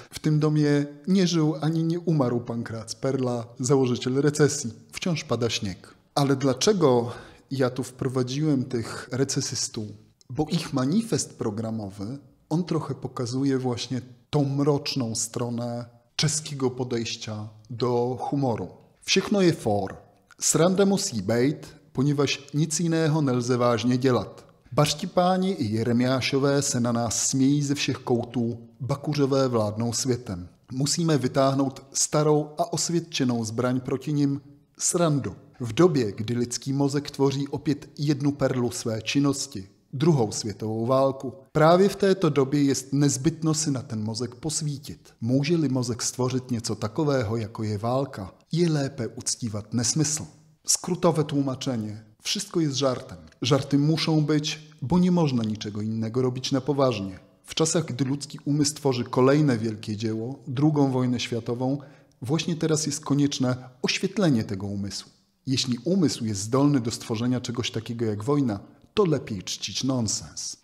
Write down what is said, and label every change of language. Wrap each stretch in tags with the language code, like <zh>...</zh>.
<pl>W tym domie nie żył ani nie umarł Pankrac Perla, założyciel recesji. Wciąż pada śnieg. Ale dlaczego ja tu wprowadziłem tych recesystów? Bo ich manifest programowy, on trochę pokazuje właśnie tą mroczną stronę czeskiego podejścia do humoru.</pl> <cs>Všechno je for, sranda musí být,</cs> <pl>ponieważ nic innego</pl> <cs>nelze vážně dělat. Baštipáni i Jeremiášové se na nás smějí ze všech koutů, bakuřové vládnou světem. Musíme vytáhnout starou a osvědčenou zbraň proti nim, srandu. V době, kdy lidský mozek tvoří opět jednu perlu své činnosti, druhou světovou válku. Právě v této době je nezbytno si na ten mozek posvítit. Může-li mozek stvořit něco takového, jako je válka, je lépe uctívat nesmysl.</cs> <pl>Skrutové tłumaczenie. Wszystko jest żartem. Żarty muszą być, bo nie można niczego innego robić na poważnie. W czasach, gdy ludzki umysł tworzy kolejne wielkie dzieło, drugą wojnę światową, właśnie teraz jest konieczne oświetlenie tego umysłu. Jeśli umysł jest zdolny do stworzenia czegoś takiego jak wojna, to lepiej czcić nonsens.</pl>